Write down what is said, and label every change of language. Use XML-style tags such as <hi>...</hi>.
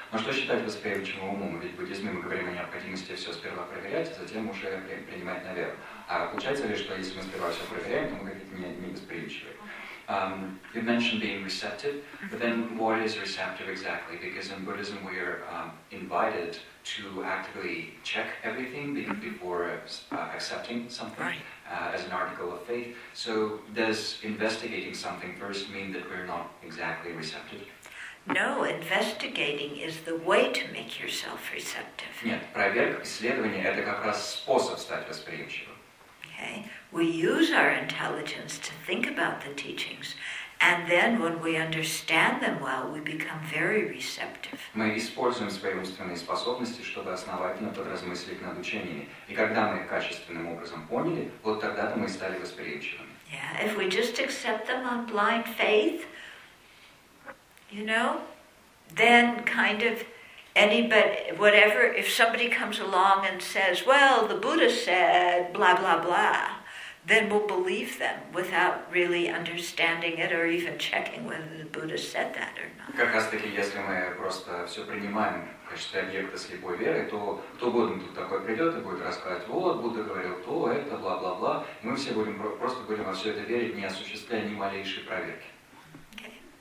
<ru>Но что считать восприимчивым умом? Ведь в буддизме мы говорим о необходимости все сперва проверять, а затем уже принимать на веру. А получается ли, что если мы сперва все проверяем, то мы какие-то не восприимчивые?</ru> <en>You mentioned being receptive, but then what is receptive exactly? Because in Buddhism we are invited to actively check everything before accepting something right. As an article of faith. So does investigating something first mean that we're not exactly receptive? No, investigating is the way to make yourself receptive.</en> <ru>Нет, проверка, исследование – это как раз способ стать восприимчивым.</ru> <en>Okay. We use our intelligence to think about the teachings, and then when we understand them well, we become very receptive.</en> <ru>Мы используем свои умственные способности, чтобы основательно подразмыслить над учениями. И когда мы их качественным образом поняли, вот тогда-то мы стали восприимчивыми.</ru> <en>Yeah. If we just accept them on blind faith, you know, then kind of anybody, whatever, if somebody comes along and says, well, the Buddha said, blah, blah, blah, then we'll believe them without really understanding it or even checking whether the Buddha said that or not.</en> <ru>Как раз таки, если мы просто все принимаем в качестве объекта слепой веры, то кто будет тут такой придет и будет рассказывать, вот, Будда говорил то, это, бла-бла-бла, мы все будем просто будем во все это верить, не осуществляя ни малейшей проверки.</ru> <en>Okay.</en>